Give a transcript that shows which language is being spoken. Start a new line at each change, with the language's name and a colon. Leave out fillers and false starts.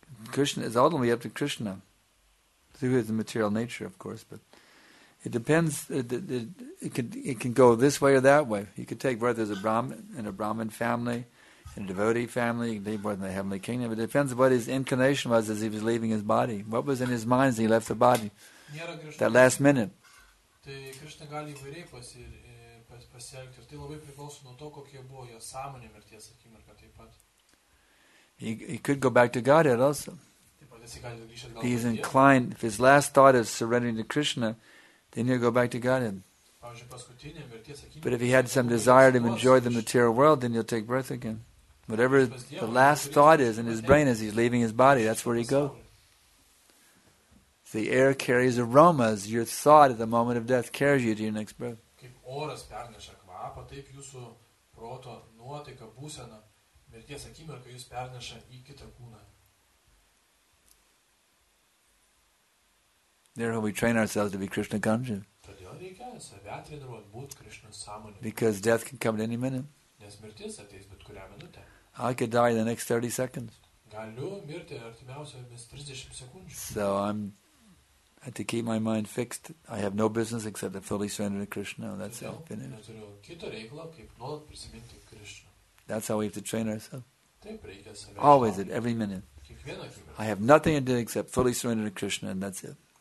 English: Krishna is ultimately up to Krishna through his material nature, of course, but it depends. It can go this way or that way. You could take birth as a Brahmin in a Brahmin family, in a devotee family. You can take birth in the heavenly kingdom. It depends what his inclination was as he was leaving his body. What was in his mind as he left the body? That last minute.
Lithuanian: Tai Krishna gali įvairiai pasielgti. Ir tai labai priklauso nuo to, kokie buvo jo sąmonė mirties akimirka taip pat.
English: He could go back to Godhead also. If he's inclined, if his last thought is surrendering to Krishna, then he'll go back to Godhead. But if he had some desire to enjoy the material world, then he'll take birth again. Whatever the last thought is in his brain as he's leaving his body, that's where he goes. The air carries aromas. Your thought at the moment of death carries you to your next breath.
Lithuanian: Kaip oras perneša kvapą, taip jūsų proto nuotaika būsena mirties akimirką jūs perneša į kitą kūną.
English: Therefore, we train ourselves to be Krishna conscious.
Lithuanian: Todėl reikia save treniruoti būti Krishna sąmonė.
English: Because death can come at any minute.
Lithuanian: Nes mirtis ateis bet kurią minutę.
English: I could die in the next 30 seconds.
Lithuanian: Galiu mirti artimiausiomis 30 sekundžių.
English: So I'm had to keep my mind fixed. I have no business except to fully surrender to Krishna. That's how it finished. That's how we have to train ourselves. Always, at every minute. I have nothing to do except fully surrender to Krishna, and that's it.